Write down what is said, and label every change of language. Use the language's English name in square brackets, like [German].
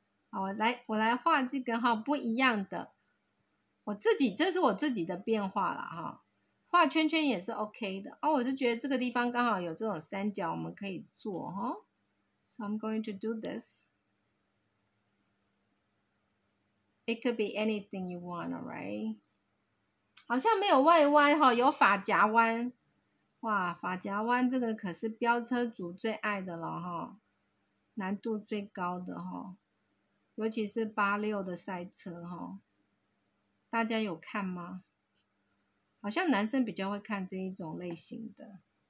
[Chinese] 好，我来画这个哈、哦，不一样的。我自己，这是我自己的变化啦哈，画圈圈也是 OK 的哦。我就觉得这个地方刚好有这种三角，我们可以做哈。 [English] So I'm going to do this. It could be anything you want, alright? [Chinese] 好像没有外弯哈，有发夹弯。哇，发夹弯这个可是飙车族最爱的了哈，难度最高的哈，尤其是86的赛车哈。大家有看吗？好像男生比较会看这一种类型的。